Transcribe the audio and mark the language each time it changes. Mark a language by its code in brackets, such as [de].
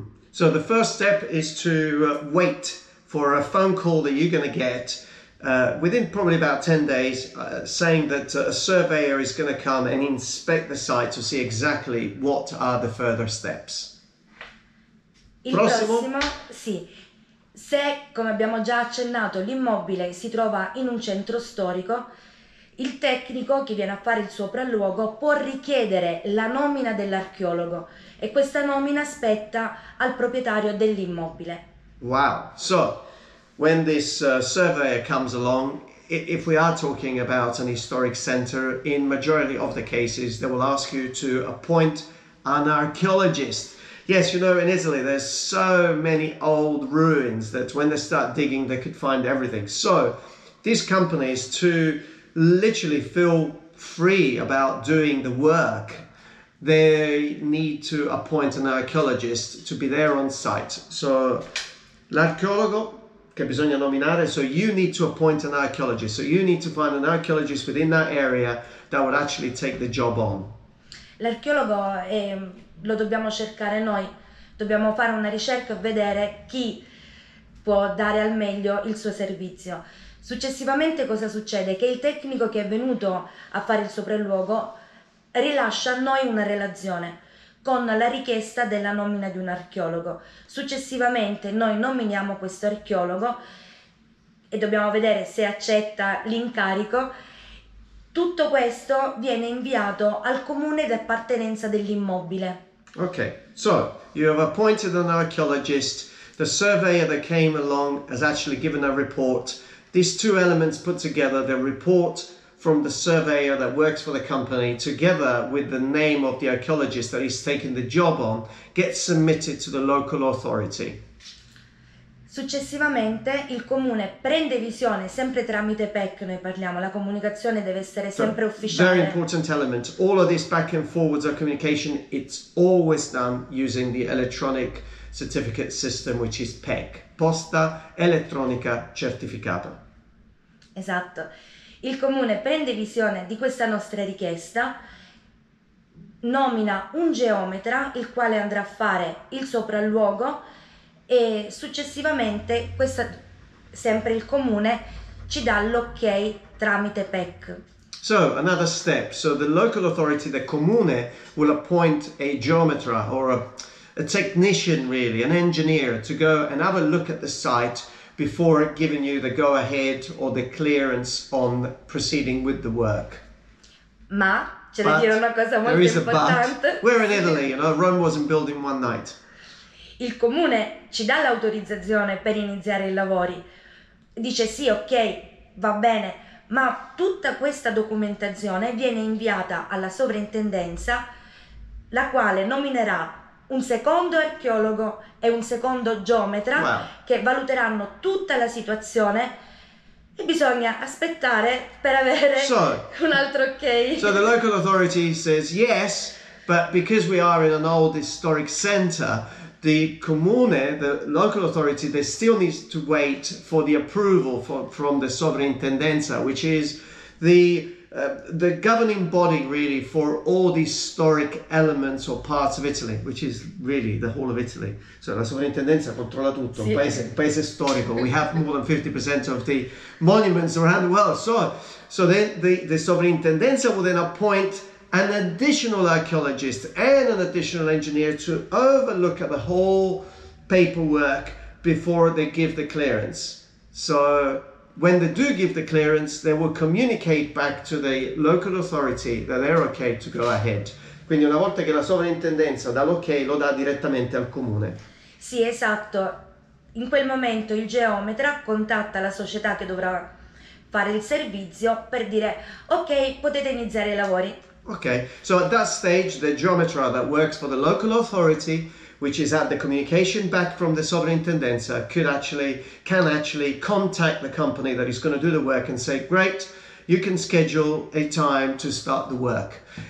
[en] So the first step is to wait for a phone call that you're going to get within probably about 10 days saying that a surveyor is going to come and inspect the site to see exactly what are the further steps. [it] Il prossimo? Sì. Se, come abbiamo già accennato, l'immobile si trova in un centro storico, il tecnico che viene a fare il sopralluogo può richiedere la nomina dell'archeologo e questa nomina spetta al proprietario dell'immobile. Wow. [en] So, when this surveyor comes along, if we are talking about an historic center, in majority of the cases, they will ask you to appoint an archaeologist. Yes, you know, in Italy there's so many old ruins that when they start digging they could find everything. So, these companies, to literally feel free about doing the work, they need to appoint an archaeologist to be there on site. So, [it] l'archeologo che bisogna nominare, [en] so you need to appoint an archaeologist. So you need to find an archaeologist within that area that would actually take the job on. [it] L'archeologo è... lo dobbiamo cercare noi, dobbiamo fare una ricerca e vedere chi può dare al meglio il suo servizio. Successivamente cosa succede? Che il tecnico che è venuto a fare il sopralluogo rilascia a noi una relazione con la richiesta della nomina di un archeologo. Successivamente noi nominiamo questo archeologo e dobbiamo vedere se accetta l'incarico. Tutto questo viene inviato al comune d'appartenenza dell'immobile. [en] Okay, so you have appointed an archaeologist, the surveyor that came along has actually given a report. These two elements put together, the report from the surveyor that works for the company together with the name of the archaeologist that he's taking the job on, gets submitted to the local authority. [it] Successivamente il comune prende visione, sempre tramite PEC noi parliamo, la comunicazione deve essere sempre ufficiale. [en] Very important element. All of this back and forwards of communication, it's always done using the electronic certificate system, which is PEC, posta elettronica certificata. [it] Esatto. Il comune prende visione di questa nostra richiesta, nomina un geometra, il quale andrà a fare il sopralluogo, e successivamente questa, sempre il comune ci dà l'ok tramite PEC. [en] So another step. So the local authority, the comune, will appoint a geometer or a technician, really, an engineer, to go and have a look at the site before giving you the go-ahead or the clearance on proceeding with the work. [it] Ma, c'è da dire una cosa molto importante. [en] We're in Italy, you know, Rome wasn't built in one night. [it] Il comune ci dà l'autorizzazione per iniziare i lavori. Dice sì, ok, va bene, ma tutta questa documentazione viene inviata alla sovrintendenza, la quale nominerà un secondo archeologo e un secondo geometra che valuteranno tutta la situazione e bisogna aspettare per avere un altro ok. [en] So the local authority says yes, but because we are in an old historic center, the comune, the local authority, they still need to wait for the approval from the sovrintendenza, which is the governing body really for all the historic elements or parts of Italy, which is really the whole of Italy. So [it] la sovrintendenza controlla tutto, sì. paese storico. [en] We have more than 50% of the monuments around the world. So then the sovrintendenza will then appoint an additional archaeologist and an additional engineer to overlook at the whole paperwork before they give the clearance. So when they do give the clearance, they will communicate back to the local authority that they're okay to go ahead. [it] Quindi una volta che la sovrintendenza dà l'ok, lo dà direttamente al comune. Sì, esatto. In quel momento il geometra contatta la società che dovrà fare il servizio per dire ok, potete iniziare i lavori. [en] Okay, so at that stage, the geometer that works for the local authority, which is at the communication back from the sovrintendenza, can actually contact the company that is going to do the work and say, great, you can schedule a time to start the work.